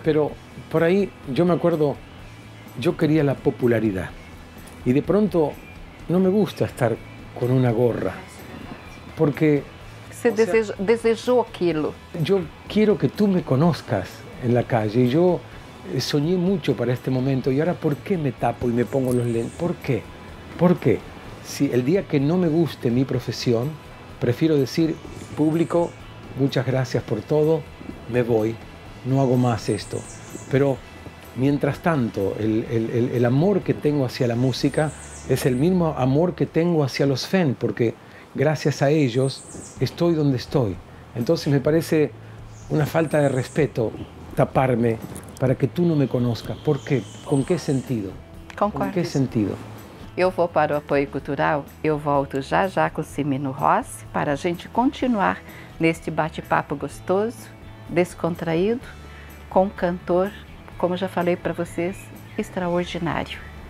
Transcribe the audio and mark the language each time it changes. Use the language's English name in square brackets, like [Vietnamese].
[Portuguese] Pero por aí, eu [Spanish] me acuerdo, [Portuguese] eu queria a popularidade e de pronto não me gusta estar com uma gorra, porque... Você desejou aquilo. Eu quero que tu [Spanish] me conozcas en la calle [Portuguese] e eu soñé muito para este momento e agora por que me tapo e me pongo os lentes? Por que? Por que? [Spanish] Si el día que no me guste mi profesión, prefiero decir, público, muchas gracias por todo, me voy, no hago más esto. Pero mientras tanto, el amor que tengo hacia la música es el mismo amor que tengo hacia los fans, porque gracias a ellos estoy donde estoy. Entonces me parece una falta de respeto taparme para que tú no me conozcas. ¿Por qué? ¿Con qué sentido? ¿Con qué sentido? [Portuguese] Eu vou para o Apoio Cultural, eu volto já com Semino Rossi para a gente continuar neste bate-papo gostoso, descontraído, com um cantor, como já falei para vocês, extraordinário.